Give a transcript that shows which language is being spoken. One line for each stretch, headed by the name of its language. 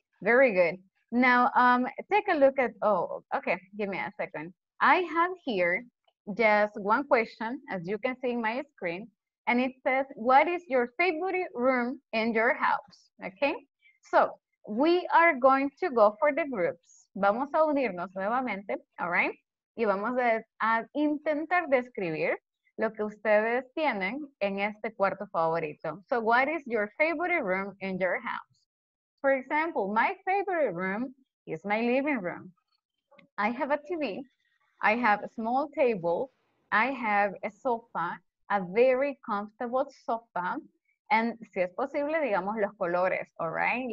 English: Very good. Now, take a look at, give me a second. I have here just one question, as you can see in my screen. And it says, what is your favorite room in your house? Okay, so we are going to go for the groups.
Spanish: Vamos a unirnos nuevamente, all right? Y vamos a intentar describir lo que ustedes tienen en este cuarto favorito.
English: So what is your favorite room in your house? For example, my favorite room is my living room. I have a TV, I have a small table, I have a sofa, a very comfortable sofa, and si es posible, digamos, los colores, all right?